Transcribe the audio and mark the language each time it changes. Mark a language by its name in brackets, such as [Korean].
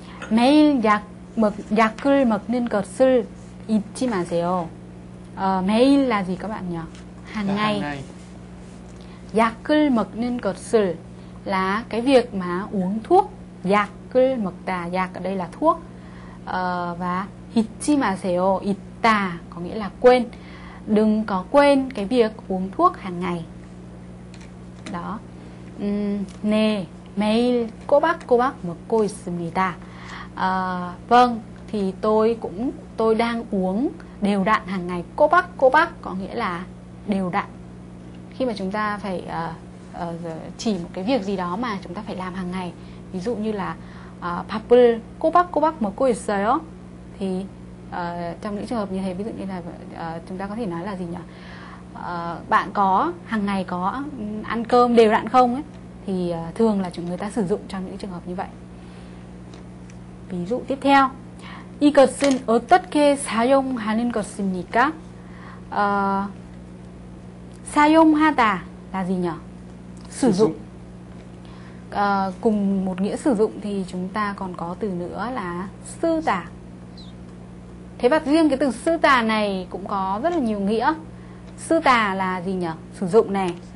[Korean] 매일 약을 먹는 것을 잊지 마세요. [Vietnamese] 매일 là gì các bạn nhỉ? Hàng ngày. [Korean] 약을 먹는 것을 [Vietnamese] là cái việc mà uống thuốc. 약을 먹다. 약 ở đây là thuốc. Và [Korean] 잊지 마세요. [Vietnamese] 잊다 có nghĩa là quên. Đừng có quên cái việc uống thuốc hàng ngày. Đó. 네. [Korean] 매일 꼬박꼬박 먹고 있습니다. [Vietnamese] Vâng, thì tôi đang uống đều đặn hàng ngày. 꼬박꼬박 có nghĩa là đều đặn. Khi mà chúng ta phải chỉ một cái việc gì đó mà chúng ta phải làm hàng ngày. Ví dụ như là [Korean] 밥을 꼬박꼬박 먹고 있어요. [Vietnamese] Thì trong những trường hợp như thế, ví dụ như là chúng ta có thể nói là gì nhỉ? Bạn có hàng ngày có ăn cơm đều đặn không ấy? Thì thường là chúng người ta sử dụng trong những trường hợp như vậy. Ví dụ tiếp theo. [Korean] 이것은 어떻게 사용하는 것입니까? [Vietnamese] 사용하다 là gì nhỉ? Sử dụng. Cùng một nghĩa sử dụng thì chúng ta còn có từ nữa là 쓰다. Thế và riêng cái từ 쓰다 này cũng có rất là nhiều nghĩa. 쓰다 là gì nhỉ? Sử dụng này.